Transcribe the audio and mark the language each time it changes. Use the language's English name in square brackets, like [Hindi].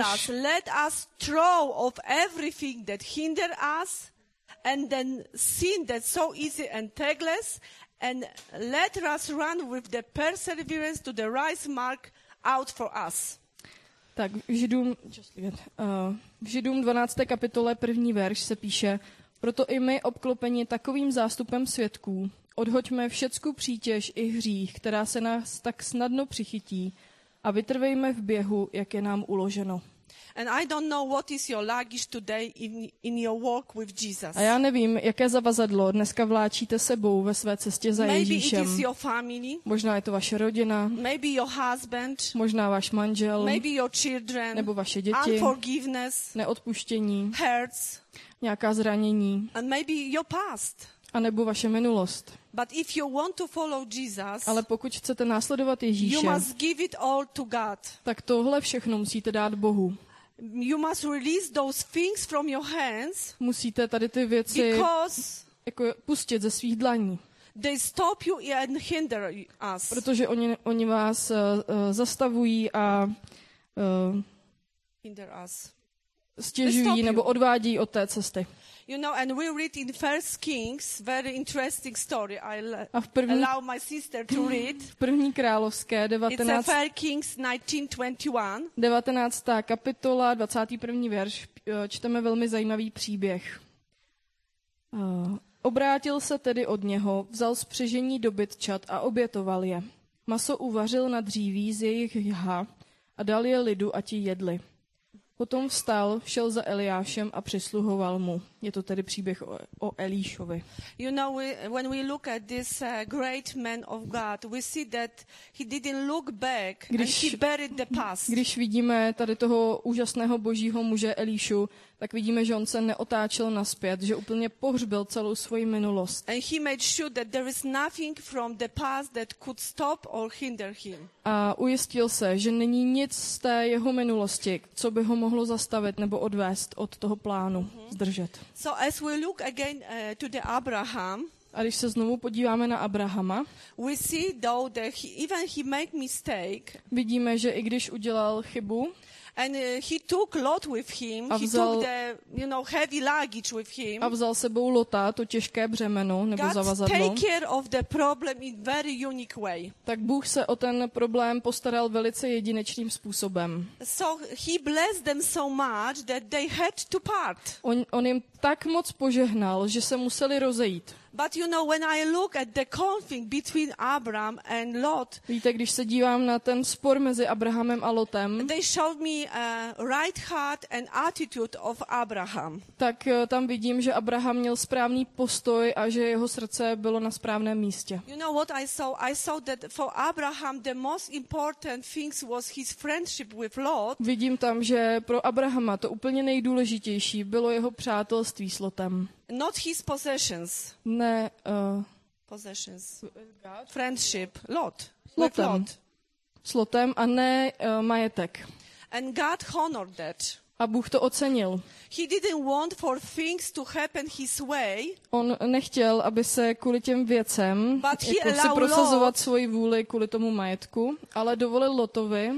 [English] let us throw off everything that hinder us and then sin that so easy entangles and let us run with the perseverance to the race mark out for us. [Czech] Tak v Židům 12. kapitole první verš se píše: proto i my obklopeni takovým zástupem svědků odhoďme všecku přítěž i hřích, která se nás tak snadno přichytí, a vytrvejme v běhu, jak je nám uloženo. [English] And I don't know what is your luggage today in your walk with Jesus. [Czech] A já nevím, jaké zavazadlo dneska vláčíte sebou ve své cestě za Ježíšem. [English] Maybe it is your family. [Czech] Možná je to vaše rodina. [English] Maybe your husband. [Czech] Možná váš manžel. [English] Maybe your children. [Czech] Nebo vaše děti. [English] Unforgiveness. [Czech] Neodpuštění. [English] Hurts. [Czech] Nějaká zranění. [English] And maybe your past. [Czech] A nebo vaše minulost. [English] But if you want to follow Jesus, [Czech] ale pokud chcete následovat Ježíše, [English] you must give it all to God. [Czech] Tak tohle všechno musíte dát Bohu. [English] You must release those things from your hands. [Czech] Musíte tady ty věci jako pustit ze svých dlaní. [English] They stop you and hinder us. [Czech] Protože oni vás zastavují a [English] hinder us. [Czech] Stěžují nebo odvádí od té cesty. [English] You know, and we read in First Kings very interesting story. Allow my sister to read. [Czech] V první královské 19. [English] It's First Kings 19:21. [Czech] 19. kapitola 21. verš. Čteme velmi zajímavý příběh. Obrátil se tedy od něho, vzal spřežení dobytčat a obětoval je. Maso uvařil na dříví z jejich jha a dal je lidu, a ti jedli. Potom vstal, šel za Eliášem a přisluhoval mu. Je to tedy příběh o Elíšovi. [English] You know, when we look at this great man of God, we see that he didn't look back and he buried the past. [Czech] Když vidíme tady toho úžasného božího muže Elíšu, tak vidíme, že on se neotáčel nazpět, že úplně pohřbil celou svoji minulost. [English] And he made sure that there is nothing from the past that could stop or hinder him. [Czech] A ujistil se, že není nic z té jeho minulosti, co by ho mohlo zastavit nebo odvést od toho plánu zdržet. [English] So as we look again to the Abraham, [Czech] a když se znovu podíváme na Abrahama, [English] we see though that even he made mistake, [Czech] vidíme, že i když udělal chybu, [English] and he took Lot with him, heavy luggage with him, [Czech] a vzal sebou Lota, to těžké břemeno nebo [English] God [Czech] zavazadlo, [English] take care of the problem in very unique way. [Czech] Tak Bůh se o ten problém postaral velice jedinečným způsobem. [English] So he blessed them so much that they had to part. [Czech] On jim tak moc požehnal, že se museli rozejít. [English] But you know, when I look at the conflict between Abraham and Lot, [Czech] víte, když se dívám na ten spor mezi Abrahamem a Lotem, [English] they showed me a right heart and attitude of Abraham. [Czech] Tak tam vidím, že Abraham měl správný postoj a že jeho srdce bylo na správném místě. [English] You know what I saw? I saw that for Abraham the most important things was his friendship with Lot. [Czech] Vidím tam, že pro Abrahama to úplně nejdůležitější bylo jeho přátelství s Lotem. [English] Not his possessions. [Czech] Ne, [English] possessions. Friendship. Lot. [Czech] Lotem. S Lotem a ne majetek. [English] And God honored that. [Czech] A Bůh to ocenil. [English] He didn't want for things to happen his way. [Czech] On nechtěl, aby se kvůli těm věcem jako se prosazovat svoji vůli kvůli tomu majetku, ale dovolil Lotovi,